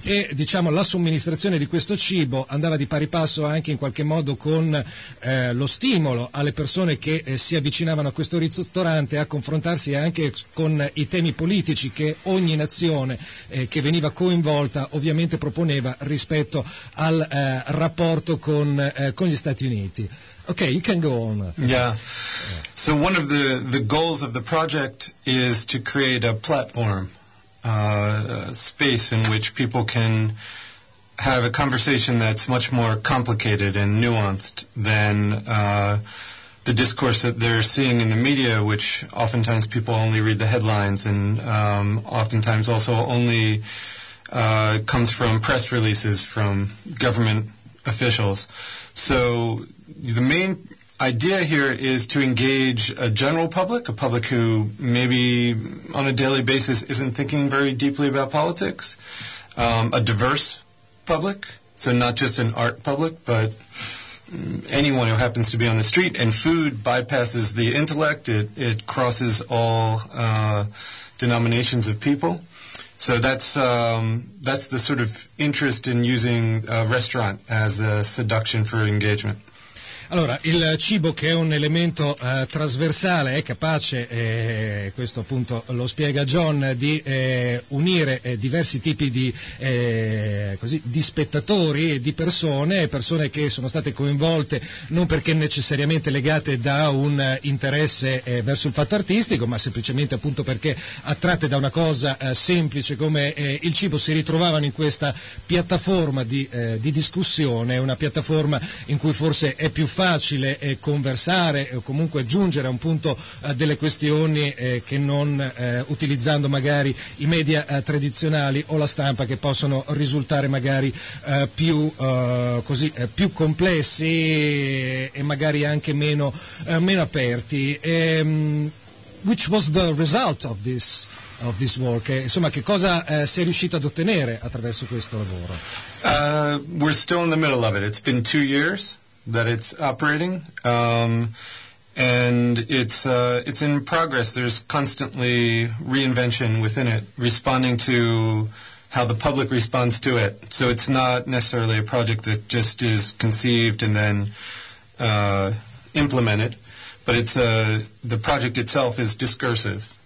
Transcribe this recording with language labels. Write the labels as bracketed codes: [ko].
[it] E, diciamo, la somministrazione di questo cibo andava di pari passo anche in qualche modo con lo stimolo alle persone che si avvicinavano a questo ristorante a confrontarsi anche con i temi politici che ogni nazione che veniva coinvolta ovviamente proponeva rispetto al rapporto con gli Stati Uniti. [en] Okay, you can go on. Yeah. So one of the goals of the project is to create a platform, a space in which people can have a conversation that's much more complicated and nuanced than the discourse that they're seeing in the media, which oftentimes people only read the headlines and oftentimes also only comes from press releases from government officials. So the main idea here is to engage a general public, a public who maybe on a daily basis isn't thinking very deeply about politics, a diverse public, so not just an art public, but anyone who happens to be on the street. And food bypasses the intellect. It crosses all denominations of people. So that's the sort of interest in using a restaurant as a seduction for engagement. [it] Allora, il cibo, che è un elemento trasversale, è capace, questo appunto lo spiega John, di unire diversi tipi di spettatori, di persone che sono state coinvolte non perché necessariamente legate da un interesse verso il fatto artistico, ma semplicemente appunto perché attratte da una cosa semplice come il cibo, si ritrovavano in questa piattaforma di discussione, una piattaforma in cui forse è più facile conversare o comunque giungere a un punto delle questioni che non utilizzando magari i media tradizionali o la stampa, che possono risultare magari più complessi e magari anche meno aperti. [en] Which was the result of this work? [it] Insomma, che cosa si è riuscito ad ottenere attraverso questo lavoro? [en] We're still in the middle of it. It's been 2 years that it's operating, and it's in progress. There's constantly reinvention within it, responding to how the public responds to it. So it's not necessarily a project that just is conceived and then implemented, but it's the project itself is discursive.